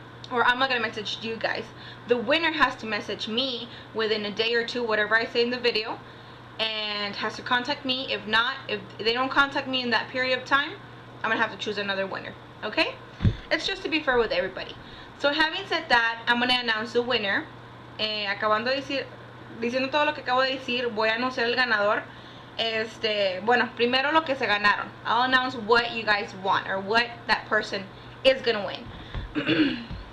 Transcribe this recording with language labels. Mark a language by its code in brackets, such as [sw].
[en] Or I'm not going to message you guys. The winner has to message me within a day or two, whatever I say in the video. And has to contact me. If not, if they don't contact me in that period of time, I'm going to have to choose another winner. Okay? It's just to be fair with everybody. So having said that, I'm going to announce the winner. [es] Acabando de decir, diciendo todo lo que acabo de decir, voy a anunciar el ganador. Bueno, primero lo que se ganaron. [en] I'll announce what you guys want or what that person is gonna win.